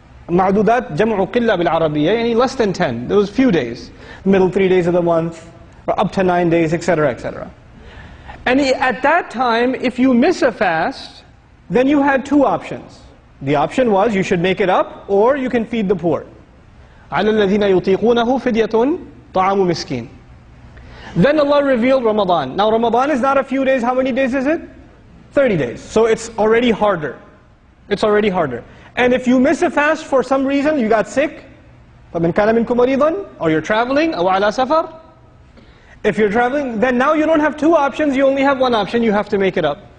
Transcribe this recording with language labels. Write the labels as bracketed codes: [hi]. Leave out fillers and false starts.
[ar] Ma'dudat جَمْعُ قِلَّ بِالْعَرَبِيَّةِ يعني [en] less than 10, those few days. Middle 3 days of the month, or up to 9 days, etc., etc. And at that time, if you miss a fast, then you had two options. The option was, you should make it up, or you can feed the poor. [ar] عَلَى الَّذِينَ يُطِيقُونَهُ فِدْيَةٌ طَعَامُ مِسْكِينَ [en] Then Allah revealed Ramadan. Now Ramadan is not a few days, how many days is it? 30 days. So it's already harder. It's already harder. And if you miss a fast for some reason, you got sick, [ar] فَمِنْ كَانَ مِنْكُمْ مَرِيضًا [en] Or you're traveling, [ar] أَوْ عَلَى سَفَرٍ [en] If you're traveling, then now you don't have two options, you only have one option, you have to make it up.